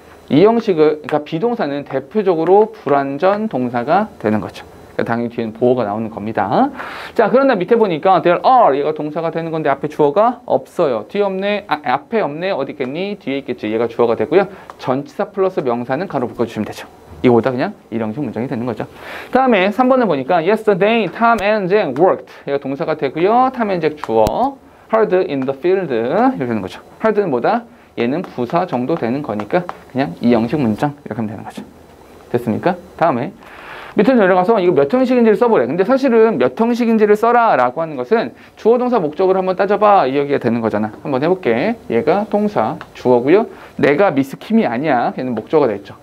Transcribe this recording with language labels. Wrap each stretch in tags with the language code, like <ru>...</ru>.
<ko>2형식을, 그러니까 비동사는 대표적으로 불완전 동사가 되는 거죠. 그러니까 당연히 뒤에는 보어가 나오는 겁니다. 자, 그런데 밑에 보니까</ko> <en>there are,</en> <ko>얘가 동사가 되는 건데 앞에 주어가 없어요. 뒤에 없네, 아, 앞에 없네, 어디 있겠니? 뒤에 있겠지. 얘가 주어가 되고요. 전치사 플러스 명사는 가로 묶어주시면 되죠. 이거보다 그냥 1형식 문장이 되는 거죠. 다음에 3번을 보니까</ko> <en>yesterday, Tom and Jack worked.</en> <ko>얘가 동사가 되고요.</ko> <en>Tom and Jack</en> <ko>주어.</ko> <en>Hard in the field 이렇게 되는 거죠.</en> <ko>Hard는 뭐다? 얘는 부사 정도 되는 거니까 그냥 2형식 문장 이렇게 하면 되는 거죠. 됐습니까? 다음에 밑으로 내려가서 이거 몇 형식인지를 써보래. 근데 사실은 몇 형식인지를 써라 라고 하는 것은 주어 동사 목적을 한번 따져봐 이 얘기가 되는 거잖아. 한번 해볼게. 얘가 동사 주어고요. 내가 미스 킴이 아니야. 얘는 목적어가 됐죠.</ko>